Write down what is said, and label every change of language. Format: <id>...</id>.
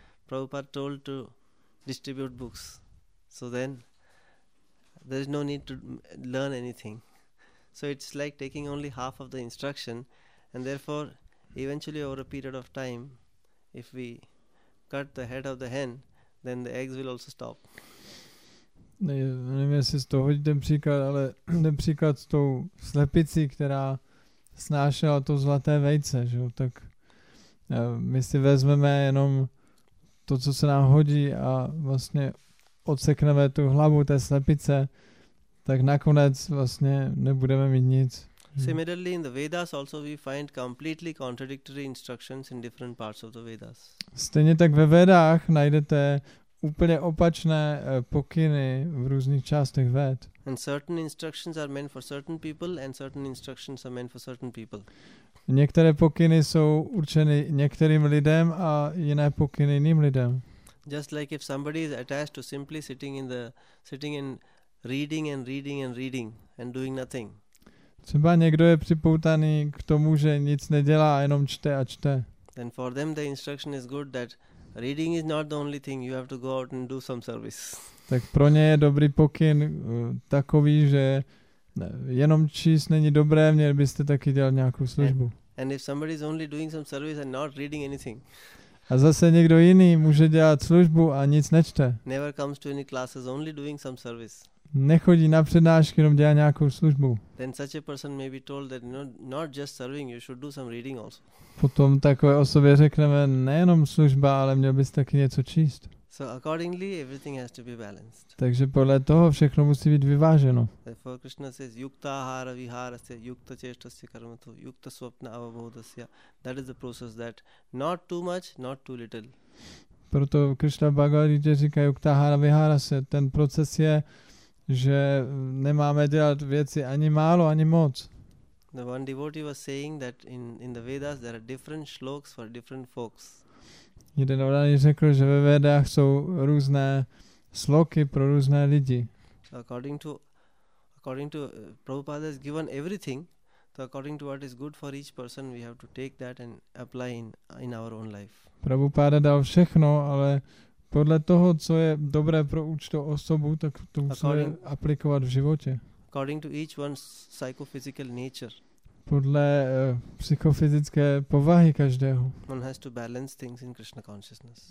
<en>Prabhupada told to distribute books. So then there is no need to learn anything. So it's like taking only half of the instruction, and therefore eventually over a period of time, if we cut the head of the hen, then the eggs will also stop.</en> <cs>Ne, nevím, jestli z toho hodí ten příklad, ale ten příklad s tou slepicí, která snášela to zlaté vejce, že jo, tak my si vezmeme jenom to, co se nám hodí a vlastně odsekneme tu hlavu té slepice, tak nakonec vlastně nebudeme mít nic.</cs> <en>Similarly, in the Vedas also we find completely contradictory instructions in different parts of the Vedas.</en> <cs>Stejně tak ve Vedách najdete úplně opačné pokyny v různých částech ved.</cs> <en>And certain instructions are meant for certain people and certain instructions are meant for certain people.</en> <cs>Některé pokyny jsou určeny některým lidem a jiné pokyny jiným lidem.</cs> <en>Just like if somebody is attached to simply sitting and reading and doing nothing.</en> <cs>Třeba někdo je připoutaný k tomu, že nic nedělá, jenom čte a čte.</cs> <en>Then for them the instruction is good that reading is not the only thing, you have to go out and do some service.</en> <cs>Tak pro ně je dobrý pokyn takový, že jenom číst není dobré, měl byste taky dělat nějakou službu.</cs> <en>And if somebody is only doing some service and not reading anything.</en> <cs>A zase někdo jiný může dělat službu a nic nečte.</cs> <en>Never comes to any classes, only doing some service.</en> <cs>Nechodí na přednášky, jenom dělá nějakou službu.</cs> <en>Then such a person may be told that not just serving, you should do some reading also.</en> <cs>Potom takové osobě řekneme, nejenom služba, ale měl bys taky něco číst.</cs> <en>So accordingly, everything has to be balanced.</en> <cs>Takže podle toho všechno musí být vyváženo.</cs> <en>Therefore Krishna says,</en> <sa>yukta ahara viharasya, yukta cheshtasya karmato, yukta svapna avabodasya.</sa> <en>That is the process that not too much, not too little.</en> <cs>Proto Krishna Bhagavad Gita říká,</cs> <sa>yukta ahara viharasya,</sa> <cs>ten proces je, že nemáme dělat věci ani málo, ani moc.</cs> <en>The one devotee was saying that in the Vedas there are different shloks for different folks.</en> <cs>Jeden odaný řekl, že ve Vedách jsou různé sloky pro různé lidi.</cs> <en>So according to Prabhupada has given everything, so according to what is good for each person, we have to take that and apply in our own life.</en> <cs>Prabhupada dal všechno, ale podle toho, co je dobré pro určitou osobu, tak to musíme aplikovat v životě.</cs> <en>According to each one's psychophysical nature.</en> <cs>Podle psychofyzické povahy každého.</cs> <en>One has to balance things in Krishna consciousness.</en>